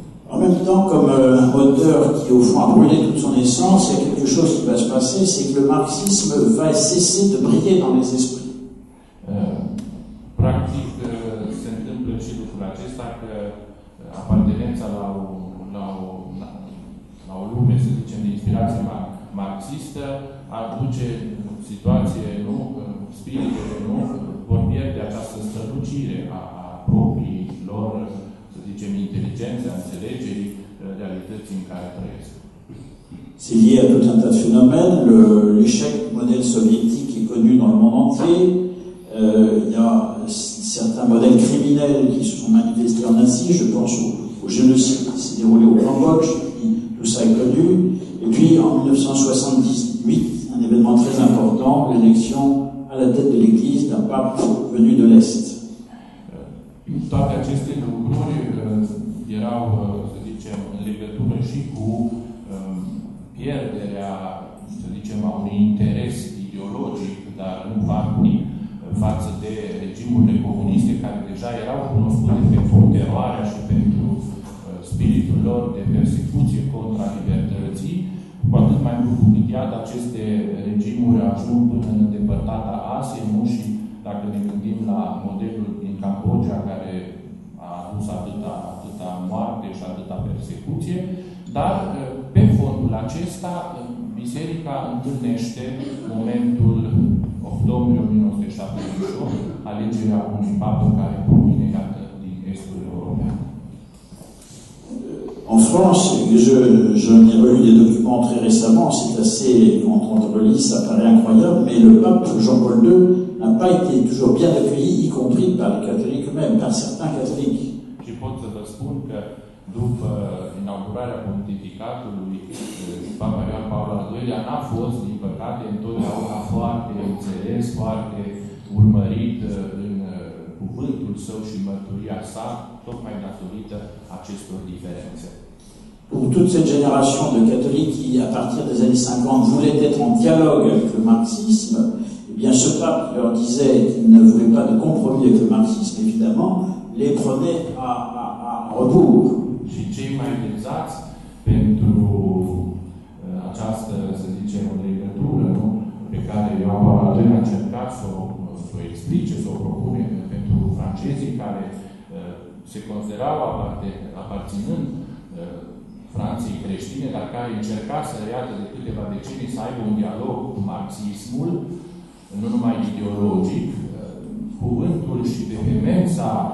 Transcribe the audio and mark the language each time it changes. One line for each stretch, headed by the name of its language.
French: En même temps, comme auteur qui, au fond, a brûlé toute son essence, il y a quelque chose qui va se passer, c'est que le marxisme va cesser de briller dans les esprits.
Romanian: Practic, se întâmplă și lucrul acesta, că apartenența la o, la o, la, la o lume, să zicem, de inspirație marxistă, aduce situație, nu? Spiritele, nu? Vor pierde această strălucire a, a proprii lor, să zicem, inteligențe, înțelegerii, realității în care trăiesc.
French: C'est lié à tout un tas de phénomènes. L'échec du modèle soviétique est connu dans le monde entier. Il y a certains modèles criminels qui se sont manifestés en Asie, je pense au, au génocide qui s'est déroulé au Cambodge, tout ça est connu. Et puis en 1978, un événement très important, l'élection à la tête de l'Église d'un pape venu de l'Est.
Romanian: Toate aceste lucruri erau, să zicem, în legătură și cu pierderea, să zicem, a unui interes ideologic, dar nu practic, față de regimurile comuniste care deja erau cunoscute pe fond eroarea și pentru spiritul lor de persecuție contra libertății, cu atât mai mult cu iată aceste regimuri ajung până în îndepărtata Asie, nu și dacă ne gândim la modelul din Cambodgia care a adus atâta, atâta moarte și atâta persecuție, dar pe fondul acesta Biserica întâlnește momentul octombrie 1978, alegerea unui papă care provine, iată, din estul european.
French: En France, je n'ai pas eu des documents très récemment, c'est assez, quand on relit, ça paraît incroyable, mais le pape Jean-Paul II n'a pas été toujours bien accueilli, y compris par les catholiques même, par certains catholiques. Je peux vous dire que,
Romanian: după inaugurarea pontificatului, papa Ioan Paul al II-lea n-a fost, din păcate, întotdeauna foarte înțeles, foarte urmărit în cuvântul său și mărturia sa, tocmai datorită acestor diferențe.
French: Pour toute cette génération de catholiques qui, à partir des années 50, voulaient être en dialogue avec le marxisme, eh bien, ce pape leur disait qu'il ne voulait pas de compromis avec le marxisme, évidemment, les prenait à rebours.
Romanian: Și cei mai vizați pentru această, să zicem, legătură, nu? Pe care eu am avut a încercat să o explice, să o propune pentru francezii care se considerau aparținând Franței creștine, dar care încerca să reată de câteva decenii să aibă un dialog cu marxismul, nu numai ideologic, cuvântul și vehemența